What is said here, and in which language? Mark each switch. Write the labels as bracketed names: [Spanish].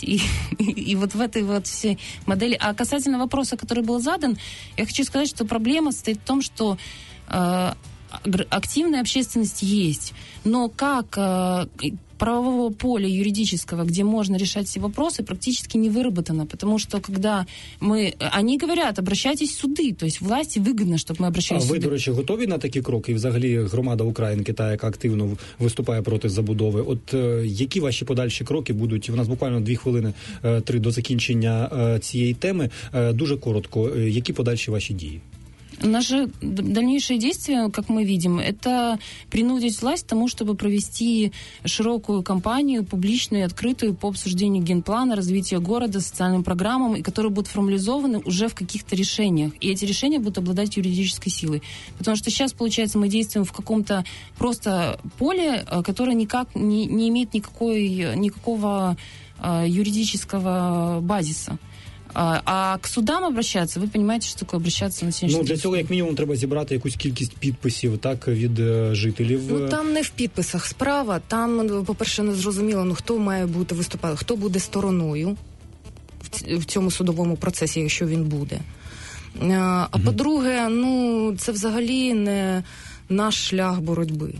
[Russian] И вот в этой вот всей модели. А касательно вопроса, который был задан, я хочу сказать, что проблема стоит в том, что активная общественность есть, но как правового поля юридического, где можно решать все вопросы, практически не выработано. Потому что когда мы... Они говорят, обращайтесь в суды. То есть власти выгодно, чтобы мы обращались в суды. [Ukrainian] А вы, до речи, [Russian] готовы на такие [Ukrainian] кроки? И взагалі громада Украины, та, яка активно [Russian] выступает против [Ukrainian] забудовы. От які ваші подальші кроки будуть? У нас буквально 2-3 хвилини до закінчення цієї теми. Дуже коротко. Які подальші ваші дії? [Russian] Наши дальнейшие действия, как мы видим, это принудить власть к тому, чтобы провести широкую кампанию, публичную и открытую по обсуждению генплана, развития города, социальным программам, и которые будут формализованы уже в каких-то решениях. И эти решения будут обладать юридической силой. Потому что сейчас, получается, мы действуем в каком-то просто поле, которое никак не имеет никакого юридического базиса. А к судам обращаться, вы понимаете, что такое обращаться на сегодняшний день? [Ukrainian] Ну, для цього, як мінімум, треба зібрати якусь кількість підписів, так, від жителів. Ну, там не в підписах справа, там, по-перше, не зрозуміло, ну, хто має бути виступати, хто буде стороною в цьому судовому процесі, якщо він буде. А по-друге, ну, це взагалі не наш шлях боротьби.